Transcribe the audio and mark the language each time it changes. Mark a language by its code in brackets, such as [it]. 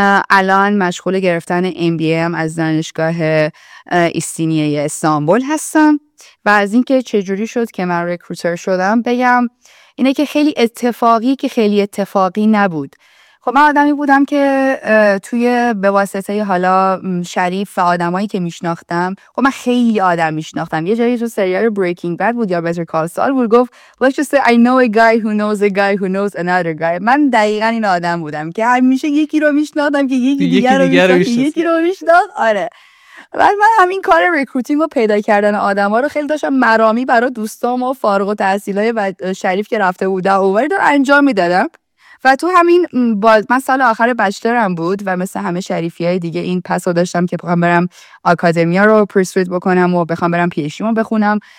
[fa] الان مشغول گرفتن MBA از دانشگاه ایستینیه استانبول هستم. و از اینکه چجوری شد که من رکروتر شدم بگم، اینه که خیلی اتفاقی نبود. خب من آدمی بودم که توی به واسطه حالا شریف و آدمایی که میشناختم، خب من خیلی آدم میشناختم. یه جایی تو سریال بریکینگ بد بود یا بتر کال سال بود، گفت [en] let's just say I know a guy who knows a guy who knows another guy. [fa] من دقیقا این آدم بودم که همیشه یکی رو میشناختم که یکی دیگر رو میشناخت. آره، بعد من همین کار ریکروتینگ و پیدا کردن آدم ها رو خیلی داشتم مرامی برای دوستام و فارغ التحصیلای شریف که رفته بوده اوور دار انجام میدادم. و تو همین من سال آخر بچلرم بود و مثل همه شریفی های دیگه این پسو داشتم که بخوام برم آکادمیا رو پرسوید بکنم و بخوام برم پیشیمو بخونم.